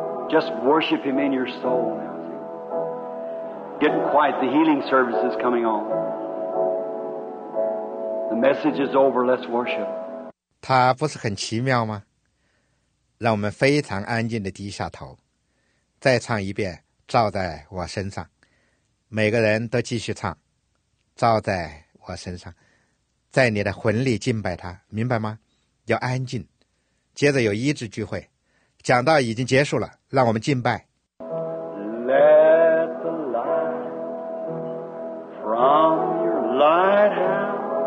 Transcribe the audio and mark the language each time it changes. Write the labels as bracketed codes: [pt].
[en] Just worship him in your soul now. Getting quiet. The healing service is coming on. The message is over, let's worship. [zh] 它不是很奇妙吗？让我们非常安静地低下头，再唱一遍，照在我身上。每个人都继续唱，照在我身上，在你的魂里敬拜他，明白吗？要安静。接着有医治聚会，讲道已经结束了，让我们敬拜。 [en] Let the light from your lighthouse.